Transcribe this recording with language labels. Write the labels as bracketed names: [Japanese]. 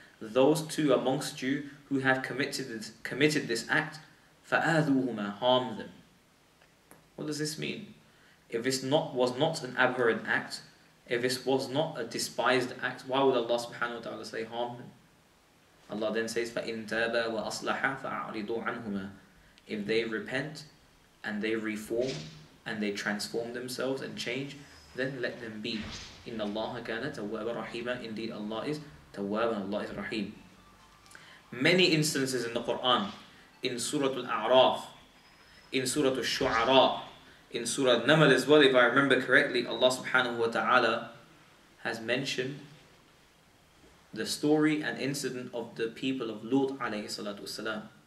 [English] Those two amongst you who have committed this act, [Arabic] فَآذُوهُمَا, [English] harm them. What does this mean? If this was not an aberrant act, if this was not a despised act, why would Allah subhanahu wa ta'ala say harm them? Allah then says, [Arabic] فَإِن تَابَ وَأَصْلَحَ فَأَعْرِضُوا عَنْهُمَا. [English] If they repent and they reform and they transform themselves and change, then let them be. [Arabic] إِنَّ اللَّهَ كَانَ تَوَّابًا رَحِيمًا. [English] Indeed, Allah is تَوَّابًا, Allah is Rahim. Many instances in the Quran, in Surah Al-A'raf, in Surah Al-Shu'ara, in Surah Naml as well, if I remember correctly, Allah subhanahu wa ta'ala has mentioned the story and incident of the people of Lut alayhi salatu wasalam.